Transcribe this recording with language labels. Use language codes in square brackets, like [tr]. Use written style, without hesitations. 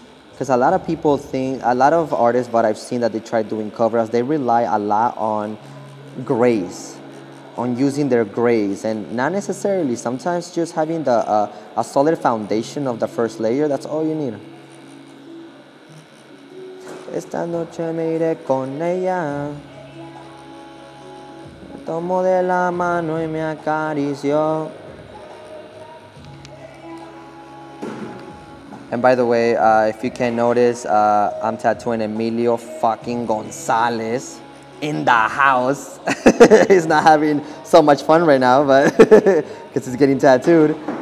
[en] Because a lot of people think, a lot of artists that I've seen that they try doing cover-ups, they rely a lot on grays, on using their grays. And not necessarily, sometimes just having a solid foundation of the first layer, that's all you need. [es] Esta noche me iré con ella. Me tomo de la mano y me acaricio. [en] And by the way, if you can notice, I'm tattooing Emilio fucking Gonzalez in the house. He's not having so much fun right now, but because he's getting tattooed.